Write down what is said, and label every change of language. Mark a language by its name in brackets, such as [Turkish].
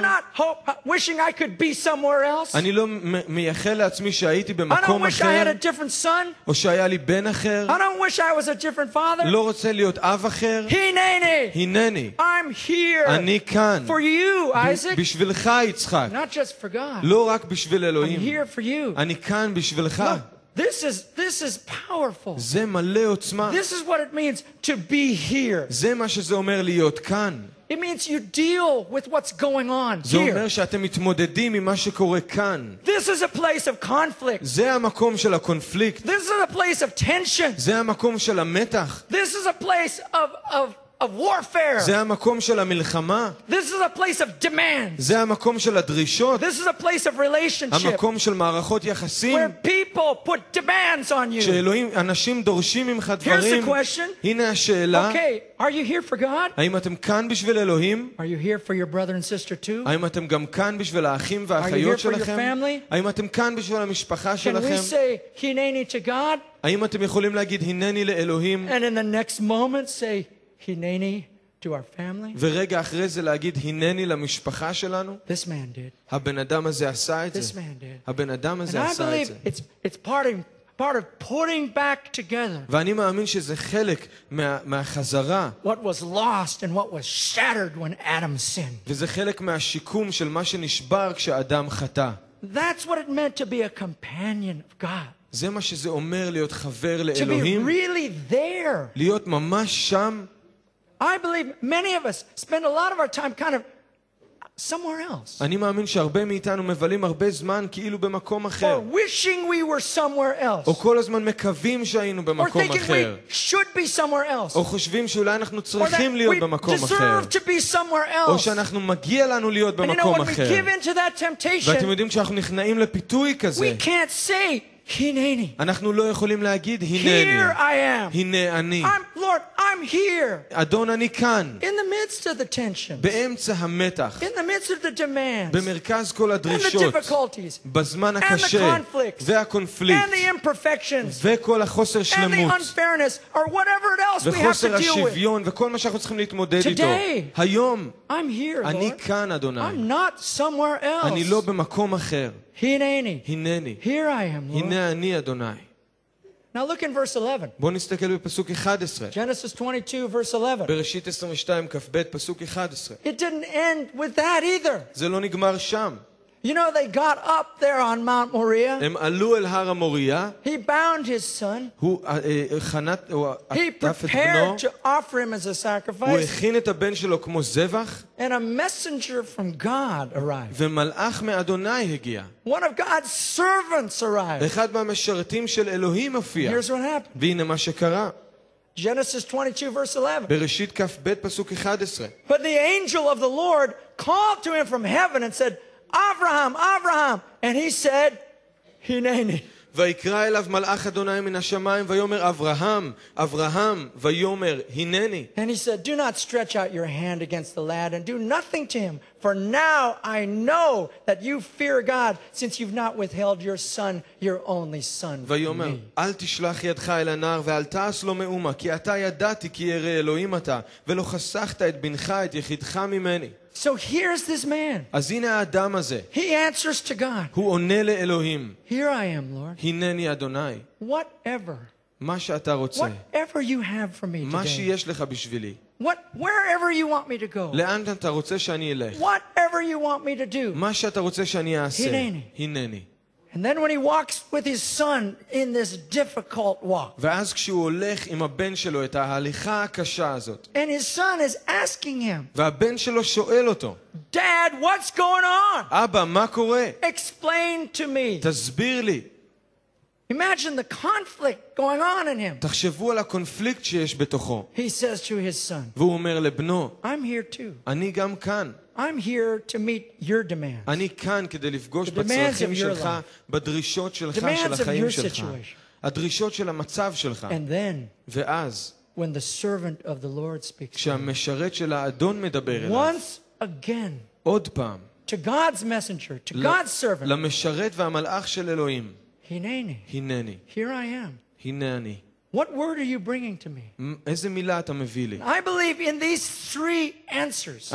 [English] I'm not wishing I could be somewhere else. [Hebrew] אני לא מייחל לעצמי שהייתי במקום אחר. [English] I don't wish I had a different son. [Hebrew] או שהיה לי בן אחר. [English] I don't wish I was a different father. [Hebrew] לא רוצה להיות אב אחר. הנני. הנני. [English] I'm here. [Hebrew] אני כאן. [English] For you, Isaac. [Hebrew] בשבילך, יצחק. [English] Not just for God. [Hebrew] לא רק בשביל אלוהים. [English] I'm here for you. [Hebrew] אני כאן בשבילך. [English] This is powerful. [Hebrew] זה מלא עוצמה. [English] This is what it means to be here. [Hebrew] זה מה שזה אומר להיות כאן. [English] It means you deal with what's going on here. [Hebrew] זה אומר שאתם מתמודדים עם מה שקורה כאן. [English] This is a place of conflict. [Hebrew] זה המקום של הקונפליקט. [English] This is a place of tension. [Hebrew] זה המקום של המתח. [English] This is a place of warfare. [Hebrew] זה המקום של המלחמה. [English] This is a place of demands. [Hebrew] זה המקום של הדרישות. [English] This is a place of relationship. [Hebrew] המקום של מערכות יחסים. [English] Where people put demands on you. [Hebrew] שאלוהים אנשים דורשים ממך דברים. [English] Here's the question. [Hebrew] הנה השאלה. [English] Okay, are you here for God? [Hebrew] האם אתם כאן בשביל אלוהים? [English] Are you here for your brother and sister too? [Hebrew] האם אתם גם כאן בשביל האחים והאחיות שלכם? [English] Are you here for your family? [Hebrew] האם אתם כאן בשביל המשפחה שלכם? [English] Can we say "הנני" to God? [Hebrew] האם אתם יכולים להגיד "הנני" לאלוהים? [English] And in the next moment say "הנני" to our family. [Hebrew] ורגע אחרי זה להגיד הנני למשפחה שלנו. [English] This man did. [Hebrew] הבן אדם הזה עשה את זה. [English] This man did. [Hebrew] הבן אדם הזה עשה את זה. [English] And I believe it's part of part of putting back together. [Hebrew] ואני מאמין שזה חלק מהחזרה. [English] What was lost and what was shattered when Adam sinned. [Hebrew] וזה חלק מהשיקום של מה שנשבר כשאדם חטא. [English] That's what it meant to be a companion of God. [Hebrew] זה מה שזה אומר להיות חבר לאלוהים. [English] To be really there. [Hebrew] להיות ממש שם. [English] I believe many of us spend a lot of our time kind of somewhere else. [Hebrew] אני מאמין שהרבה מאיתנו מבלים הרבה זמן כאילו במקום אחר. [English] Or wishing we were somewhere else. [Hebrew] או כל הזמן מקווים שהיינו במקום אחר. [English] Or thinking we should be somewhere else. [Hebrew] או חושבים שאולי אנחנו צריכים להיות במקום אחר. [English] Or that we deserve to be somewhere else. [Hebrew] או שאנחנו מגיע לנו להיות במקום אחר. [English] And you know, when we give into that temptation, [Hebrew] ואתם יודעים שאנחנו נכנעים לפיתוי כזה, [English] we can't say Hineni. [Hebrew] אנחנו לא יכולים להגיד הנני. [English] Here I am. [Hebrew] הנה אני. [English] I'm Lord, I'm here. [Hebrew] אדון אני כאן. [English] In the midst of the tensions. [Hebrew] באמצע המתח. [English] In the midst of the demands. [Hebrew] במרכז כל הדרישות. [English] And the difficulties. [Hebrew] בזמן הקשה. [English] And the conflicts. [Hebrew] והקונפליקט. [English] And the imperfections. [Hebrew] וכל החוסר שלמות. [English] And the unfairness or whatever else we have to deal with. [Hebrew] וחוסר השוויון וכל מה שאנחנו צריכים להתמודד איתו. [English] Today. [Hebrew] היום. [English] I'm here, Lord. [Hebrew] אני כאן, אדוני. [English] I'm not somewhere else. [Hebrew] אני לא במקום אחר. Hineni. Hineni. [English] Here I am, Lord. [Hebrew] הנה אני, אדוני. [English] Now look in verse 11. [Hebrew] בוא נסתכל בפסוק 11. [English] Genesis 22, verse 11. [Hebrew] בראשית 22, כ"ב, פסוק 11. [English] It didn't end with that either. [Hebrew] זה לא נגמר שם. [English] You know, they got up there on Mount Moriah. [Hebrew] הם עלו אל הר המוריה. [English] He bound his son. He prepared to offer him as a sacrifice. [Hebrew] הוא הכין את הבן שלו כמו זבח. [English] And a messenger from God arrived. [Hebrew] ומלאך מאדוני הגיע. [English] One of God's servants arrived. [Hebrew] אחד מהמשרתים של אלוהים הופיע. [English] Here's what happened. [Hebrew] והנה מה שקרה. [English] Genesis 22, verse 11. [Hebrew] בראשית כ"ב, פסוק 11. [English] But the angel of the Lord called to him from heaven and said, Avraham, Avraham, and he said, Hineni. [Hebrew] ויקרא אליו מלאך אדוני מן השמיים ויאמר אברהם, אברהם, ויאמר הנני. [English] And he said, Do not stretch out your hand against the lad and do nothing to him, for now I know that you fear God, since you've not withheld your son, your only son, from me. [Hebrew] ויאמר, אל תשלח ידך אל הנער ואל תעש לו מאומה, כי אתה ידעתי כי ירא אלוהים אתה, ולא חסכת את בנך, את יחידך ממני. [English] So here's this man. [Hebrew] אז הנה האדם הזה. [English] He answers to God. [Hebrew] הוא עונה לאלוהים. [English] Here I am, Lord. [Hebrew] הנני אדוני. [English] Whatever. [Hebrew] מה שאתה רוצה. [English] Whatever you have for me today. [Hebrew] מה שיש לך בשבילי. [English] What, wherever you want me to go. [Hebrew] לאן אתה רוצה שאני אלך. [English] Whatever you want me to do. [Hebrew] מה שאתה רוצה שאני אעשה. הנני. הנני. [English] And then when he walks with his son in this difficult walk. [Hebrew] ואז כשהוא הולך עם הבן שלו את ההליכה הקשה הזאת. [English] And his son is asking him. [Hebrew] והבן שלו שואל אותו. [English] Dad, what's going on? [Hebrew] אבא, מה קורה? [English] Explain to me. [Hebrew] תסביר לי. [English] Imagine the conflict going on in him. [Hebrew] תחשבו על הקונפליקט שיש בתוכו. [English] He says to his son. [Hebrew] והוא אומר לבנו. [English] I'm here too. [Hebrew] אני גם כאן. [English] I'm here to meet your demands. [Hebrew] אני כאן כדי לפגוש בצרכים שלך, בדרישות שלך, של החיים שלך. הדרישות של המצב שלך. [English] And then, [Hebrew] ואז, [English] when the servant of the Lord speaks, [Hebrew] כשהמשרת של האדון מדבר אליו, [English] once again, [Hebrew] עוד פעם, [English] to God's messenger, to God's servant, [Hebrew] למשרת והמלאך של אלוהים, הנני, הנני, [English] here I am, [Hebrew] הנה אני. [English] What word are you bringing to me? [Hebrew] איזה מילה אתה מביא לי? [English] I believe in these three answers.